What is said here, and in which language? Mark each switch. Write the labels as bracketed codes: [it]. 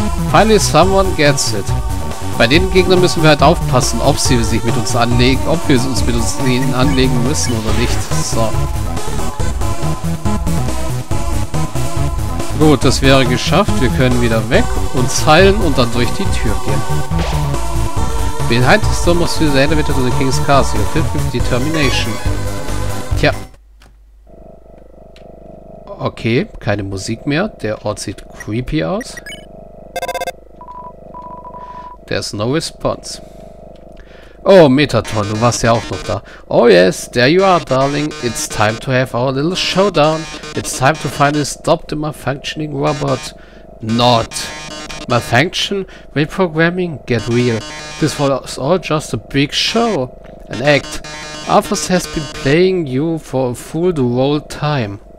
[en] Finally someone gets it. [de] Bei den Gegnern müssen wir halt aufpassen, ob sie sich mit uns anlegen, ob wir uns mit ihnen anlegen müssen oder nicht. So. Gut, das wäre geschafft. Wir können wieder weg, uns heilen und dann durch die Tür gehen. [en] Behind the storm of the elevator to the King's Castle. Your 55 Determination. Tja. [de] Okay, keine Musik mehr. Der Ort sieht creepy aus. [en] There's no response. [de] Oh, Metatron, du warst ja auch noch da. [en] Oh yes, there you are, darling. It's time to have our little showdown. It's time to finally stop the malfunctioning robot. Not. Malfunction? Reprogramming? Get real. This was all just a big show. An act. Arthas has been playing you for a fool the whole time.